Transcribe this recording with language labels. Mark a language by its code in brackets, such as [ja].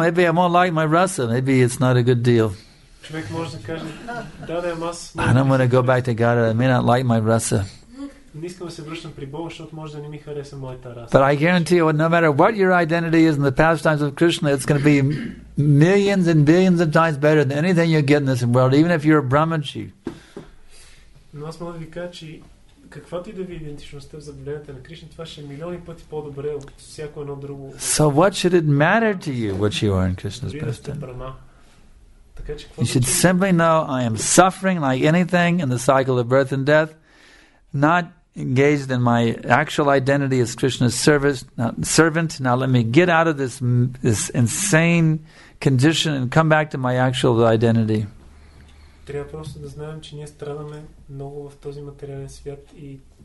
[en] Maybe I won't like my rasa. Maybe it's not a good deal. I don't want to go back to Gaura. I may not like my rasa. But I guarantee you, no matter what your identity is in the pastimes of Krishna, it's going to be millions and billions of times better than anything you get in this world, even if you're a Brahmachi. [bg] Но аз мога да ви кажа, че каквато и да ви идентичността в заблуденията на Кришна, това ще е милиони пъти по-добре от всяко едно друго. [en] So what should it matter to you what you are in Krishna's pastime? You should simply know I am suffering like anything in the cycle of birth and death, not engaged in my actual identity as Krishna's service, not servant. Now let me get out of this insane condition and come back to my actual identity. [bg] Трябва просто да знаем, че ние страдаме много в този материален свят и